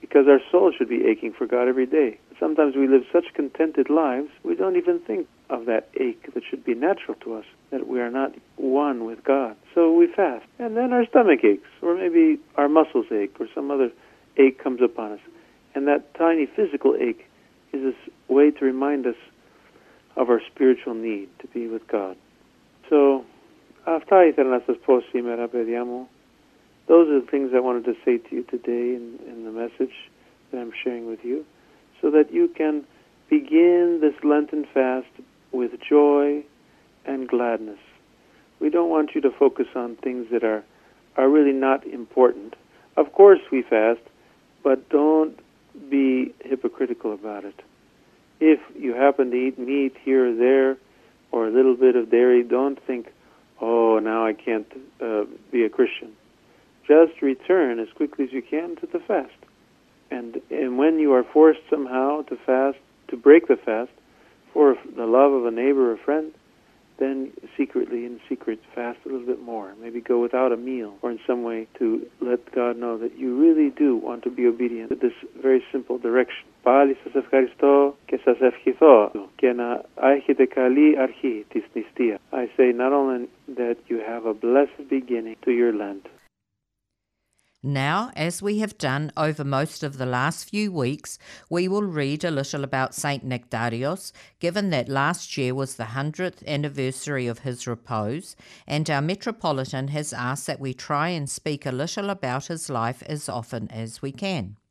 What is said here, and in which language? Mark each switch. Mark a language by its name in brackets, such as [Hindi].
[English] Because our soul should be aching for God every day. Sometimes we live such contented lives, we don't even think of that ache that should be natural to us, that we are not one with God. So we fast. And then our stomach aches, or maybe our muscles ache, or some other ache comes upon us. And that tiny physical ache is a way to remind us of our spiritual need to be with God. [Greek] So, αυτά ήθελα να σας πω σήμερα, παιδιά μου. [English] Those are the things I wanted to say to you today in the message that I'm sharing with you, so that you can begin this Lenten fast with joy and gladness. We don't want you to focus on things that are really not important. Of course we fast, but don't be hypocritical about it. If you happen to eat meat here or there, or a little bit of dairy, don't think, oh, now I can't be a Christian. Just return as quickly as you can to the fast. And when you are forced somehow to fast, to break the fast, for the love of a neighbor or friend, then secretly, in secret, fast a little bit more. Maybe go without a meal, or in some way to let God know that you really do want to be obedient to this very simple direction. [Greek] Πάλι σας ευχαριστώ και σας ευχηθώ και να έχετε καλή αρχή της νηστείας. [English] I say not only that you have a blessed beginning to your Lent. Now, as we have done over most of the last few weeks, we will read a little about Saint Nectarios, given that last year was the 100th anniversary of his repose, and our Metropolitan has asked that we try and speak a little about his life as often as we can.